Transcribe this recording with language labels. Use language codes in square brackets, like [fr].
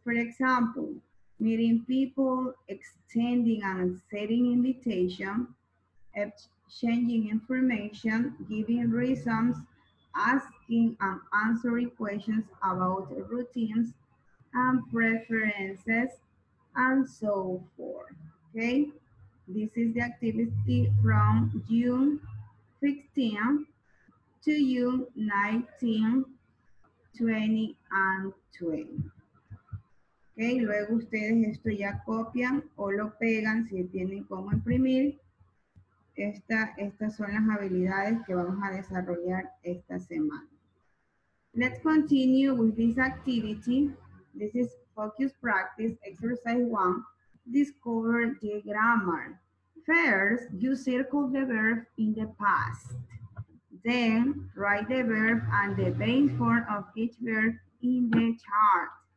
[en] For example, meeting people, extending an accepting invitation, exchanging information, giving reasons, asking and answering questions about routines and preferences, and so forth. Okay, this is the activity from June 15 to June 19, 20 and 20. [es] Okay, luego ustedes esto ya copian o lo pegan si tienen cómo imprimir. Estas son las habilidades que vamos a desarrollar esta semana. [en] Let's continue with this activity. This is focus practice, exercise one, discover the grammar. First, you circle the verb in the past. Then, write the verb and the base form of each verb in the chart.